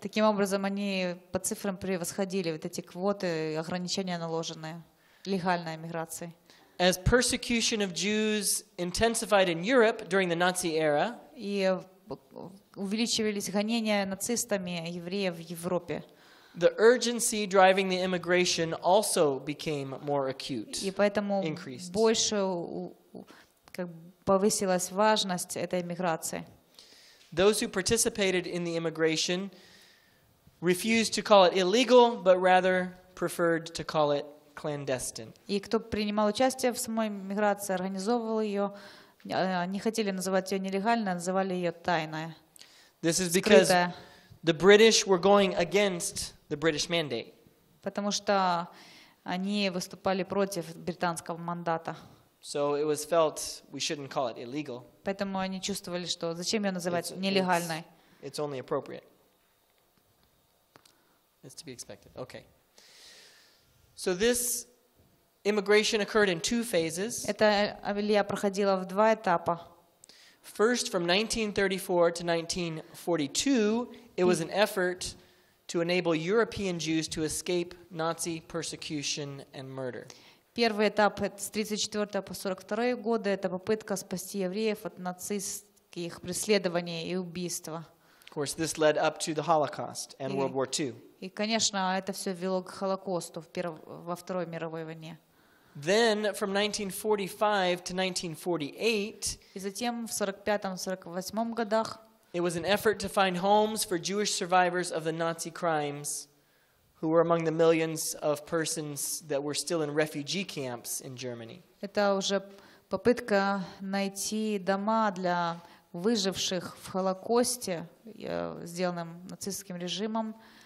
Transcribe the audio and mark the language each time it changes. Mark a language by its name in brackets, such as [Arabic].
[Russian] Таким образом, они по цифрам превосходили вот эти квоты, ограничения наложенные легальной миграции. [English] As persecution of Jews intensified in Europe during the Nazi era. [Russian] И увеличивались гонения нацистами евреев в Европе. [English] The urgency driving the immigration also became more acute. [Russian] И поэтому больше как бы повысилась важность этой эмиграции. [English] Those who participated in the immigration refused to call it illegal, but rather preferred to call it clandestine. [Russian] И кто принимал участие в самой миграции, организовывал ее, не хотели называть ее нелегальной, называли ее тайной. [English] This is because the British were going against the British mandate. [Russian] Потому что они выступали против британского мандата. [English] So it was felt we shouldn't call it illegal. [Russian] Поэтому они чувствовали, что зачем ее называть нелегальной? [English] It's only appropriate. It's to be expected. Okay. So this immigration occurred in two phases. [Russian] Эта Алия проходила в два этапа. [English] First, from 1934 to 1942, it was an effort to enable European Jews to escape Nazi persecution and murder. [Russian] Первый этап с 1934 по 1942 годы это попытка спасти евреев от нацистских преследований и убийства. [English] Of course, this led up to the Holocaust and World War II. [Russian] И, конечно, это все вело к Холокосту во Второй мировой войне. [English] Then, from 1945 to 1948, [Russian] и затем в 1945-1948 годах [English] it was an effort to find homes for Jewish survivors of the Nazi crimes who were among the millions of persons that were still in refugee camps in Germany. [Russian] Это уже попытка найти дома для выживших в Холокосте, сделанным нацистским режимом.